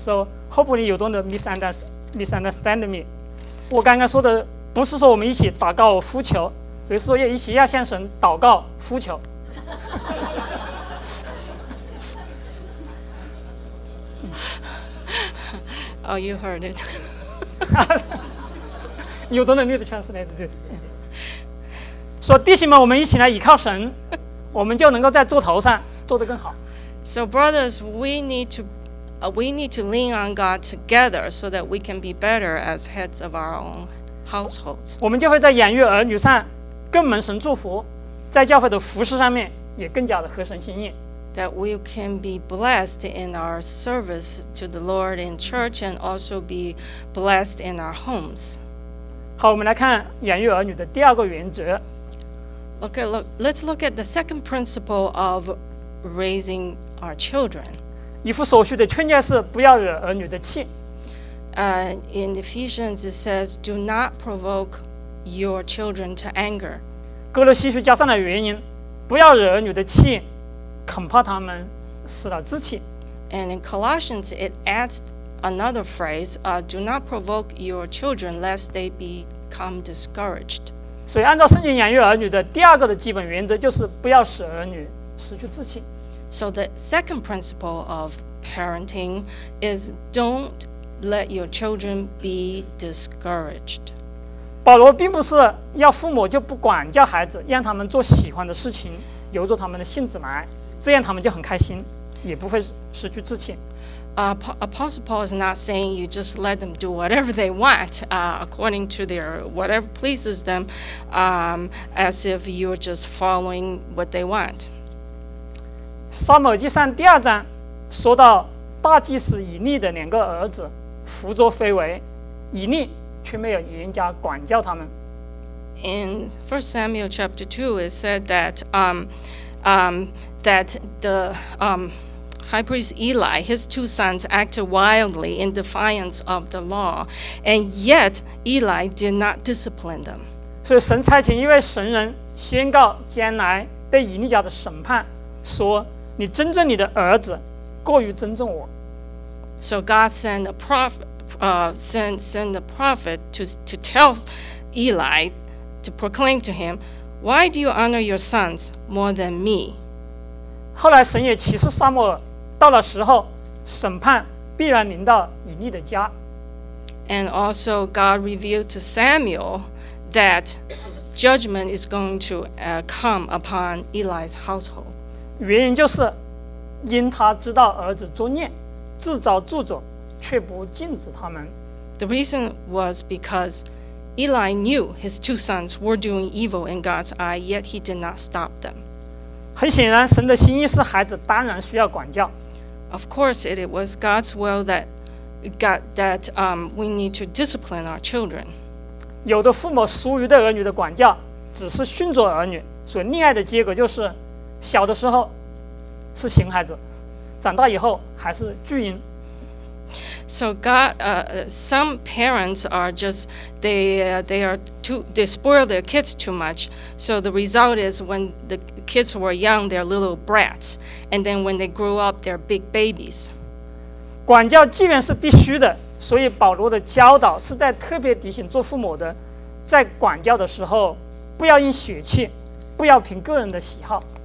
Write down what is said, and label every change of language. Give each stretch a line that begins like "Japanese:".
English: So hopefully you don't misunderstand me.
Chinese: 我刚刚说的不是说我们一起祷告呼求。有时候也一起要向神祷告呼求。
English: Oh, you heard it. You don't need to translate this.
Chinese: 说弟兄们，我们一起来倚靠神，我们就能够在座头上做得更好。
English: So brothers, we need to lean on God together so that we can be better as heads of our own households.
Chinese: 我们就会在养育儿女上。更蒙神祝福，在教会的服事上面也更加的合神心意。
English: That we can be blessed in our service to the Lord in church and also be blessed in our homes.
Chinese: 好，我们来看养育儿女的第二个原则。
English: Let's look at the second principle of raising our children.
Chinese: 以弗所书的劝诫是不要惹儿女的气。
English: In Ephesians it says, "Do not provoke your children to anger."
Chinese: 哥罗西书加上的原因，不要惹儿女的气，恐怕他们失了志气。
English: And in Colossians, it adds another phrase, "Do not provoke your children, lest they become discouraged."
Chinese: 所以，按照圣经养育儿女的第二个的基本原则，就是不要使儿女失去志气。
English: So the second principle of parenting is don't let your children be discouraged.
Chinese: 保罗并不是要父母就不管教孩子，让他们做喜欢的事情，由着他们的性子来，这样他们就很开心。也不会失去自信。
English: Apostle Paul is not saying you just let them do whatever they want, according to their whatever pleases them, as if you're just following what they want.
Chinese: 撒母耳记上第二章说到大祭司以利的两个儿子胡作非为，以利却没有严加管教他们。
English: In 1 Samuel chapter 2, it said that High Priest Eli, his two sons acted wildly in defiance of the law, and yet Eli did not discipline them.
Chinese: 所以神差遣一位神人宣告将来对以利家的审判，说你尊重你的儿子过于尊重我。
English: So God sent a prophet, sent the prophet to tell Eli, to proclaim to him, why do you honor your sons more than me?
Chinese: 后来神也启示撒母耳。到了时候，审判必然临到以利的家。
English: And also, God revealed to Samuel that judgment is going to come upon Eli's household.
Chinese: 原因就是，因他知道儿子作孽，自找咒诅，却不禁止他们。
English: The reason was because Eli knew his two sons were doing evil in God's eye, yet he did not stop them.
Chinese: 很显然，神的心意是孩子当然需要管教。
English: Of course, it was God's will that we need to discipline our children.
Chinese: 有的父母疏于对儿女的管教，只是训着儿女，所以溺爱的结果就是，小的时候是熊孩子，长大以后还是巨婴。
English: So God, some parents are just they spoil their kids too much. So the result is when the kids were young, they're little brats, and then when they grow up, they're big babies.
Chinese: 管教既然是必须的，所以保罗的教导是在特别提醒做父母的，在管教的时候不要因血气，不要凭个人的喜好。